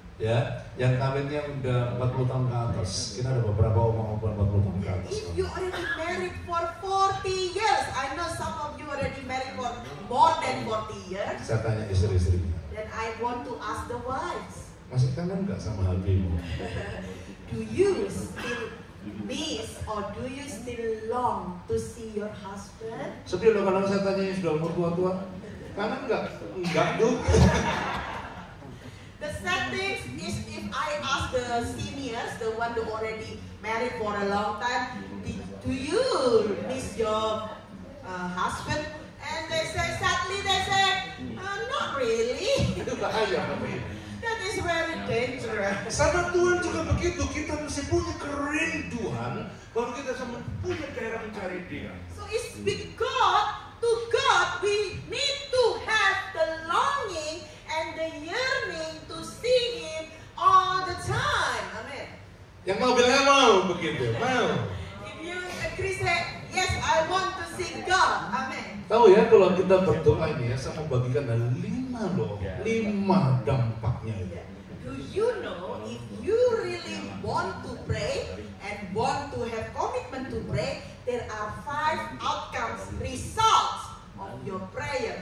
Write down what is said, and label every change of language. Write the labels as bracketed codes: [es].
[id] Ya, yang kawinnya udah 40 tahun ke atas. Kita ada beberapa omong-omongan 40 tahun ke atas. [en] If you already married for 40 years, I know some of you already married for more than 40 years. [id] Saya tanya istri-istri. [en] And I want to ask the wives. [id] Masih kangen enggak sama hatimu? [en] Do you still miss or do you still long to see your husband? [id] Sedih loh kalau saya tanya sudah umur tua-tua. Kangen enggak? Enggak dong. [en] The sad thing is if I ask the seniors, the one who already married for a long time, do you miss your husband? And they say, sadly they say, not really. [id] Itu bahaya, Bapak. [en] That is very dangerous. [id] Sama Tuhan juga begitu, kita mesti punya kerinduan baru kita sama punya gairah mencari Dia. [en] So it's with God, to God, we need to have the longing and the yearning to see Him all the time. Amen. [id] Yang mau bilang mau begitu, mau. [en] If you agree, say, yes, I want to see God. Amen. [id] Tahu ya kalau kita berdoa ini ya, saya membagikan ada lima loh, lima dampaknya itu. [en] Yeah. Do you know if you really want to pray and want to have commitment to pray, there are five outcomes, results of your prayer.